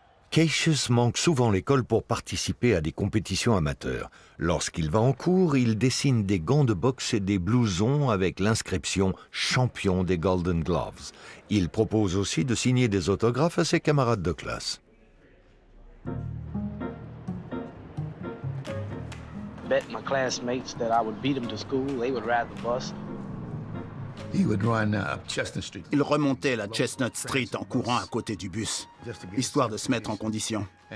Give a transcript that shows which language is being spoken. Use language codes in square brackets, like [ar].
[fr] Cassius manque souvent l'école pour participer à des compétitions amateurs. Lorsqu'il va en cours, il dessine des gants de boxe et des blousons avec l'inscription « Champion des Golden Gloves ». Il propose aussi de signer des autographes à ses camarades de classe. [en] Bet my classmates that I would beat them to school, they would ride the bus. [fr] Il remontait la Chestnut Street en courant à côté du bus, histoire de se mettre en condition.